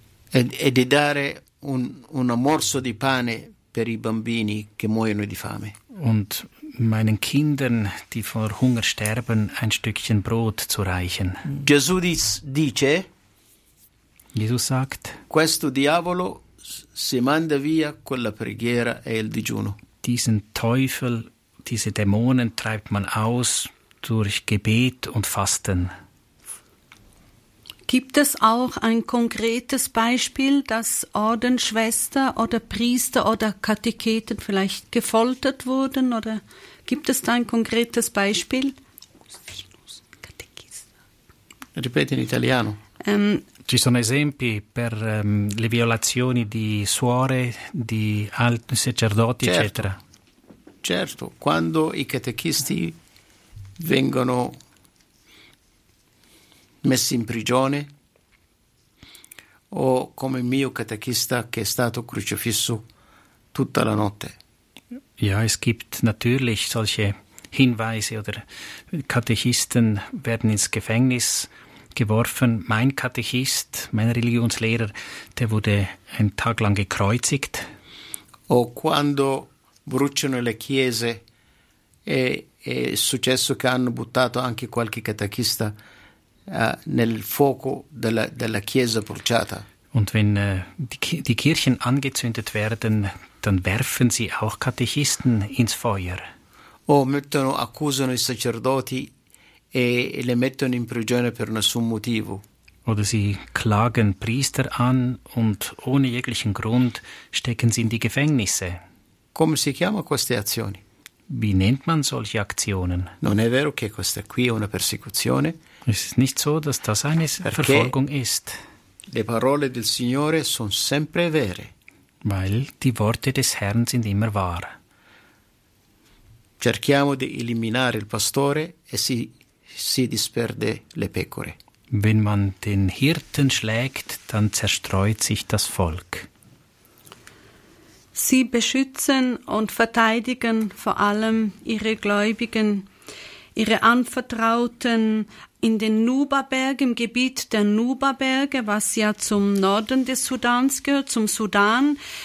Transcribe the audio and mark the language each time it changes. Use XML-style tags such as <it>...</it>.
<it>E di dare un morso di pane per i bambini che muoiono di fame.</it> <de>Und meinen Kindern, die vor Hunger sterben, ein Stückchen Brot zu reichen.</de> <it>Gesù dice.</it> <de>Jesus sagt.</de> <it>Questo diavolo si manda via con la preghiera e il digiuno.</it> <de>Diesen Teufel, diese Dämonen treibt man aus durch Gebet und Fasten. Gibt es auch ein konkretes Beispiel, dass Ordensschwester oder Priester oder Kateketen vielleicht gefoltert wurden? Oder gibt es da ein konkretes Beispiel?</de> <it>Ripeti in italiano. Ci sono esempi per le violazioni di suore, di alti sacerdoti, certo, eccetera. Certo, quando i catechisti vengono messi in prigione, o come il mio catechista che è stato crocifisso tutta la notte.</it> <de>Ja, es gibt natürlich solche Hinweise, oder Katechisten werden ins Gefängnis geworfen. Mein Katechist, mein Religionslehrer, der wurde einen Tag lang gekreuzigt.</de> <it>O quando bruciano le chiese, e è successo che hanno buttato anche qualche catechista nel fuoco della chiesa bruciata.</it> <de>Und wenn die Kirchen angezündet werden, dann werfen sie auch Katechisten ins Feuer.</de> <it>O mettono, accusano i sacerdoti e le mettono in prigione per nessun motivo.</it> <de>Oder sie klagen Priester an und ohne jeglichen Grund stecken sie in die Gefängnisse.</de> <it>Come si chiama queste azioni?</it> <de>Wie nennt man solche Aktionen?</de> <it>Non è vero che questa qui è una persecuzione.</it> <de>Es ist nicht so, dass das eine</de> <it>Perché</it> <de>Verfolgung ist.</de> <it>Le parole del Signore sono sempre vere.</it> <de>Weil die Worte des Herrn sind immer wahr.</de> <it>Cerchiamo di eliminare il pastore e si disperde le pecore.</it> <de>Wenn man den Hirten schlägt, dann zerstreut sich das Volk. Sie beschützen und verteidigen vor allem ihre Gläubigen, ihre Anvertrauten in den Nuba-Bergen, im Gebiet der Nuba-Berge, was ja zum Norden des Sudans gehört, zum Sudan.</de>